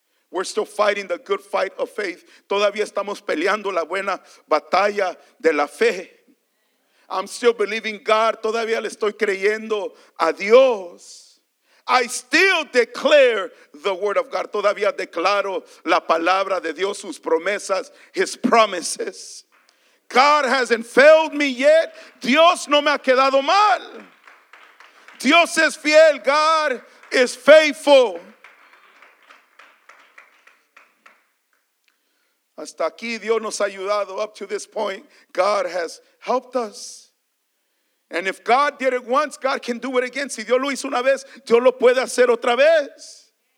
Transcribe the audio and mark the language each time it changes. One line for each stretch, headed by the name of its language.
English: We're still fighting the good fight of faith.
Spanish: Todavía estamos peleando la buena batalla de la fe. I'm still believing God. Todavía le estoy creyendo a Dios.
English: I still declare the word of God. Todavía declaro la palabra de Dios, sus promesas, his promises.
Spanish: God hasn't failed me yet. Dios no me ha quedado mal. Dios es fiel. God is faithful. Hasta aquí Dios nos ha ayudado.
English: Up to this point, God has helped us. And if God did it once, God can do it again.
Spanish: Si Dios lo hizo una vez, Dios lo puede hacer otra vez.